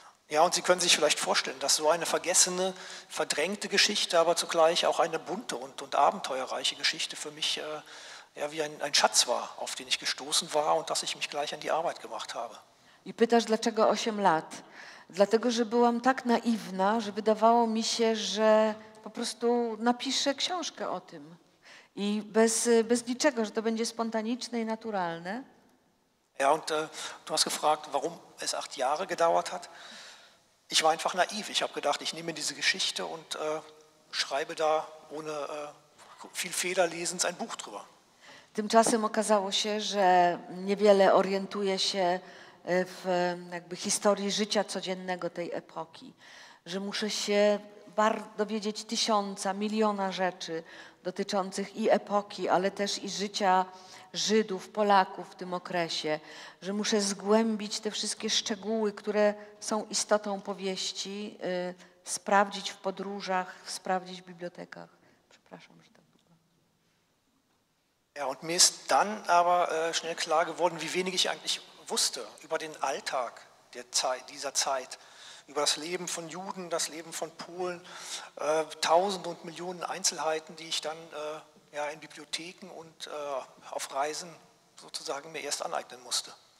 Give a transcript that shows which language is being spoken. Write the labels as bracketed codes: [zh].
[de] Ja, und Sie können sich vielleicht vorstellen, dass so eine vergessene, verdrängte Geschichte, aber zugleich auch eine bunte und abenteuerreiche Geschichte für mich ja, wie ein Schatz war, auf den ich gestoßen war und dass ich mich gleich an die Arbeit gemacht habe. [pl] I pytasz, dlaczego 8 lat? Dlatego, że byłam tak naiwna, że wydawało mi się, że po prostu napiszę książkę o tym. I bez niczego, że to będzie spontaniczne i naturalne. [de] Ja, und du hast gefragt, warum es 8 Jahre gedauert hat. Ich war einfach naiv. Ich habe gedacht, ich nehme diese Geschichte und schreibe da ohne viel Federlesens ein Buch drüber. [pl] Tymczasem okazało się, że niewiele orientuje się w jakby historii życia codziennego tej epoki, że muszę się dowiedzieć tysiąca, miliona rzeczy dotyczących i epoki, ale też i życia Żydów, Polaków w tym okresie, że muszę zgłębić te wszystkie szczegóły, które są istotą powieści, sprawdzić w podróżach, sprawdzić w bibliotekach. Przepraszam, że tak długo. [de] Ja, und mir ist dann aber schnell klar geworden, wie wenig ich eigentlich wusste über den Alltag der Zeit, dieser Zeit, über das Leben von Juden, das Leben von Polen, tausende und Millionen Einzelheiten, die ich dann ja, in Bibliotheken und auf Reisen sozusagen mir erst aneignen musste.